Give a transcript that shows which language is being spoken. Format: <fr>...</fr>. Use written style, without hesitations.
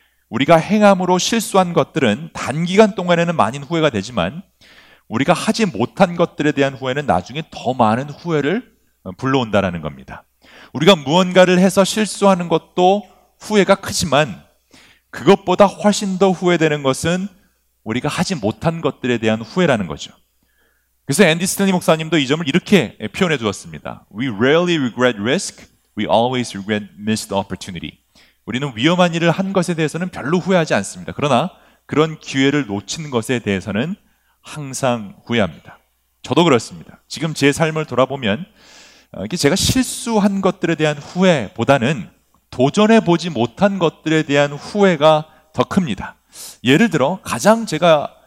<ko>우리가 행함으로 실수한 것들은 단기간 동안에는 많은 후회가 되지만 우리가 하지 못한 것들에 대한 후회는 나중에 더 많은 후회를 불러온다라는 겁니다. 우리가 무언가를 해서 실수하는 것도 후회가 크지만 그것보다 훨씬 더 후회되는 것은 우리가 하지 못한 것들에 대한 후회라는 거죠. 그래서 앤디 스탠리 목사님도 이 점을 이렇게 표현해 두었습니다.</ko> <en>We rarely regret risk, we always regret missed opportunity.</en> <ko>우리는 위험한 일을 한 것에 대해서는 별로 후회하지 않습니다. 그러나 그런 기회를 놓친 것에 대해서는 항상 후회합니다. 저도 그렇습니다. 지금 제 삶을 돌아보면 제가 실수한 것들에 대한 후회보다는 도전해보지 못한 것들에 대한 후회가 더 큽니다. 예를 들어 가장 제가</ko>